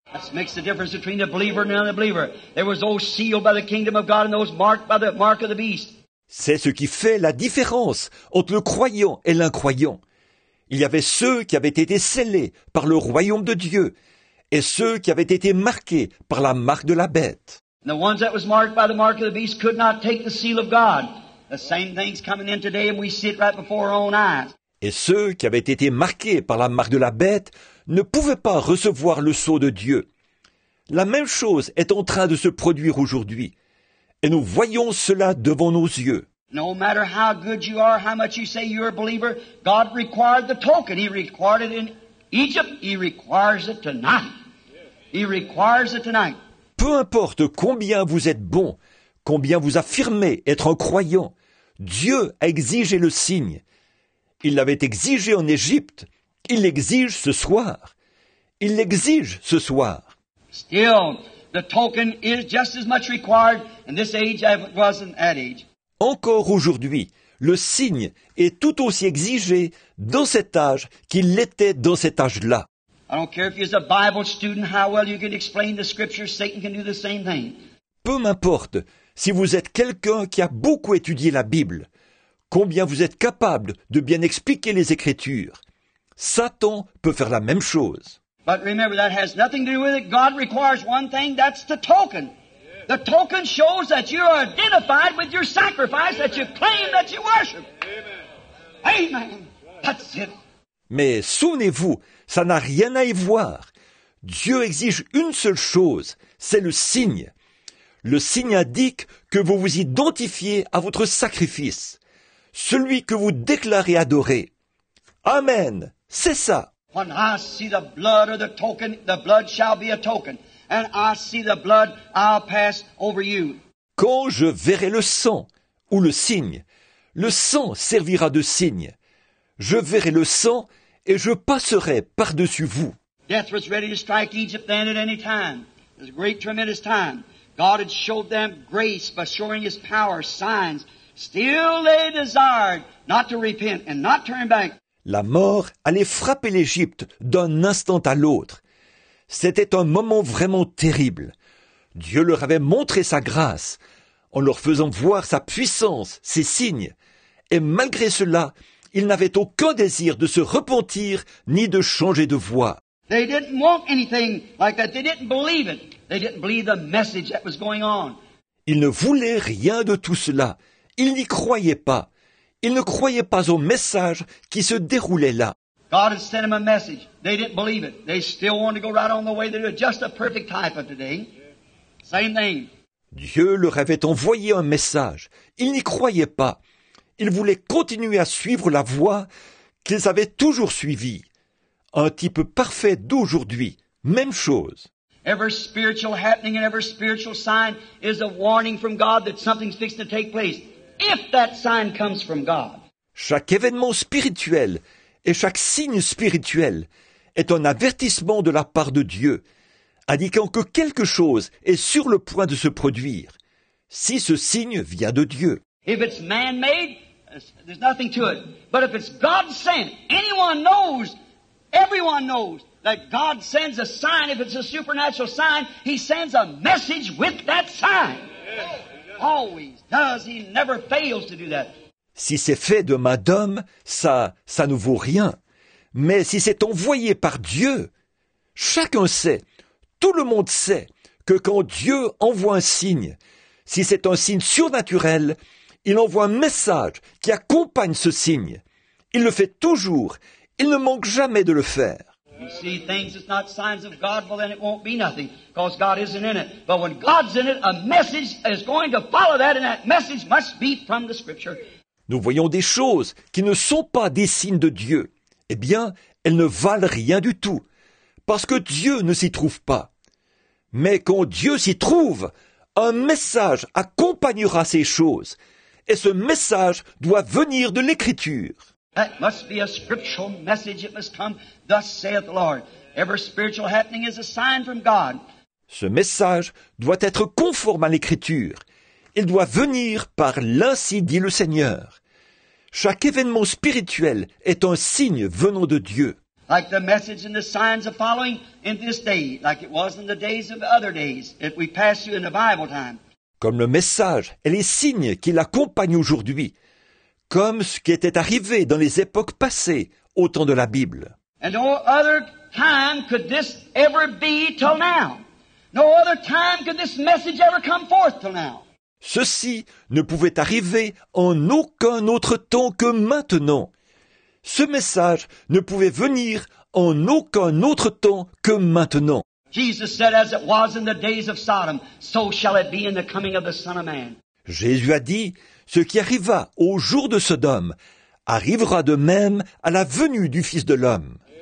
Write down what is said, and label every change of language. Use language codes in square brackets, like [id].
[en] That makes the difference between the believer and the unbeliever. There was those sealed by the kingdom of God and those marked by the mark of the beast. [fr] C'est ce qui fait la différence entre le croyant et l'incroyant. Il y avait ceux qui avaient été scellés par le royaume de Dieu et ceux qui avaient été marqués par la marque de la bête. [en] And the ones that was marked by the mark of the beast could not take the seal of God. The same thing's coming in today and we see it right before our own eyes. [fr] Et ceux qui avaient été marqués par la marque de la bête ne pouvaient pas recevoir le sceau de Dieu. La même chose est en train de se produire aujourd'hui. Et nous voyons cela devant nos yeux. [en] No matter how good you are, how much you say you're a believer, God required the token. He required it in Egypt. He requires it tonight. He requires it tonight. [fr] Peu importe combien vous êtes bon, combien vous affirmez être un croyant, Dieu a exigé le signe. Il l'avait exigé en Égypte. Il l'exige ce soir. Il l'exige ce soir. [en] Still, the token is just as much required in this age as it was in that age. [fr] Encore aujourd'hui, le signe est tout aussi exigé dans cet âge qu'il l'était dans cet âge-là. [en] I don't care if you're a Bible student, how well you can explain the scriptures, Satan can do the same thing. [fr] Peu m'importe si vous êtes quelqu'un qui a beaucoup étudié la Bible, combien vous êtes capable de bien expliquer les Écritures, Satan peut faire la même chose. [en] But remember, that has nothing to do with it. God requires one thing, that's the token. The token shows that you are identified with your sacrifice, that you claim that you worship. Amen. That's it. [fr] Mais souvenez-vous, ça n'a rien à y voir. Dieu exige une seule chose, c'est le signe. Le signe indique que vous vous identifiez à votre sacrifice, celui que vous déclarez adorer. Amen. C'est ça. [en] When I see the blood or the blood shall be a token. And I see the blood, I'll pass over you. [fr] Quand je verrai le sang ou le sang servira de signe. Je verrai le sang et je passerai par-dessus vous. [en] Death was ready to strike Egypt then at any time. It was a great, tremendous time. God had showed them grace by showing his power, signs. Still they desired not to repent and not turn back. [fr] La mort allait frapper l'Égypte d'un instant à l'autre. C'était un moment vraiment terrible. Dieu leur avait montré sa grâce en leur faisant voir sa puissance, ses signes. Et malgré cela, ils n'avaient aucun désir de se repentir ni de changer de voie. [en] They didn't want anything like that. They didn't believe it. They didn't believe the message that was going on. [fr] Ils ne voulaient rien de tout cela. Ils n'y croyaient pas. Ils ne croyaient pas au message qui se déroulait là. [en] God had sent them a message. They didn't believe it. They still wanted to go right on the way they were just a perfect type of today. Same thing. [fr] Dieu leur avait envoyé un message. Ils n'y croyaient pas. Ils voulaient continuer à suivre la voie qu'ils avaient toujours suivie. Un type parfait d'aujourd'hui. Même chose. [en] Every spiritual happening and every spiritual sign is a warning from God that something's fixed to take place. If that sign comes from God. [fr] Chaque événement spirituel et chaque signe spirituel est un avertissement de la part de Dieu, indiquant que quelque chose est sur le point de se produire, si ce signe vient de Dieu. [en] If it's man-made, there's nothing to it. But if it's God sent, anyone knows, everyone knows that God sends a sign. If it's a supernatural sign, he sends a message with that sign. Always does. He never fails to do that. [fr] Si c'est fait de main d'homme, ça ne vaut rien. Mais si c'est envoyé par Dieu, chacun sait, tout le monde sait que quand Dieu envoie un signe, si c'est un signe surnaturel, il envoie un message qui accompagne ce signe. Il le fait toujours. Il ne manque jamais de le faire. [en] You see, things that's not signs of God, well then it won't be nothing, because God isn't in it. But when God's in it, a message is going to follow that, and that message must be from the Scripture. [fr] Nous voyons des choses qui ne sont pas des signes de Dieu. Eh bien, elles ne valent rien du tout, parce que Dieu ne s'y trouve pas. Mais quand Dieu s'y trouve, un message accompagnera ces choses, et ce message doit venir de l'Écriture. [en] That must be a scriptural message. It must come, thus saith the Lord. Every spiritual happening is a sign from God. [fr] Ce message doit être conforme à l'Écriture. Il doit venir par l'ainsi dit le Seigneur. Chaque événement spirituel est un signe venant de Dieu. [en] like the message and the signs of following in this day, like it was in the days of other days, if we pass you in the Bible time. [fr] Comme le message et les signes qui l'accompagnent aujourd'hui, comme ce qui était arrivé dans les époques passées, au temps de la Bible. [en] And no other time could this ever be till now. No other time could this message ever come forth till now. [fr] Ceci ne pouvait arriver en aucun autre temps que maintenant. Ce message ne pouvait venir en aucun autre temps que maintenant. [en] Jesus said, as it was in the days of Sodom, so shall it be in the coming of the Son of Man. [fr] Jésus a dit, ce qui arriva au jour de Sodome arrivera de même à la venue du Fils de l'homme.